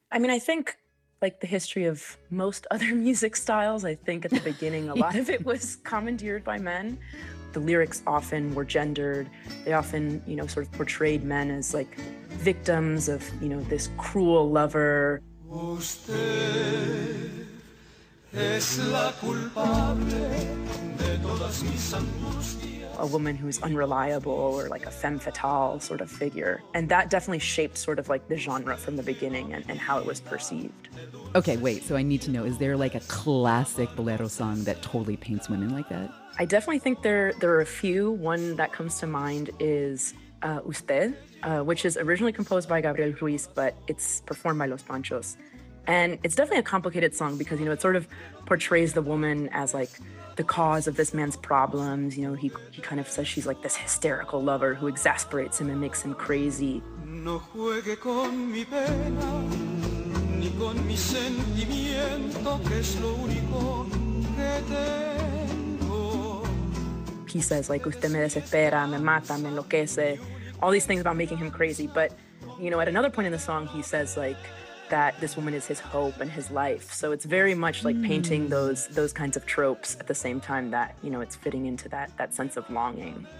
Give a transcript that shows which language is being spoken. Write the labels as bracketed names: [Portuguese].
[English] I mean, I think, like the history of most other music styles, I think at the beginning, a lot of it was commandeered by men. The lyrics often were gendered. They often, you know, sort of portrayed men as like victims of, you know, this cruel lover. [Spanish] Usted es la culpable de todas mis angustias. [English] A woman who is unreliable or like a femme fatale sort of figure. And that definitely shaped sort of like the genre from the beginning and how it was perceived. Okay, wait, so I need to know, is there like a classic bolero song that totally paints women like that? I definitely think there are a few. One that comes to mind is Usted, which is originally composed by Gabriel Ruiz, but it's performed by Los Panchos. And it's definitely a complicated song because, you know, it sort of portrays the woman as like the cause of this man's problems. You know, he kind of says she's like this hysterical lover who exasperates him and makes him crazy. [Spanish] No juegue con mi pena, ni con mi sentimiento, que es lo único que tengo. [English] He says, like, [Spanish] usted me desespera, me mata, me enloquece, [English] all these things about making him crazy. But, you know, at another point in the song, he says, like, that this woman is his hope and his life. So it's very much like painting those kinds of tropes at the same time that, you know, it's fitting into that sense of longing.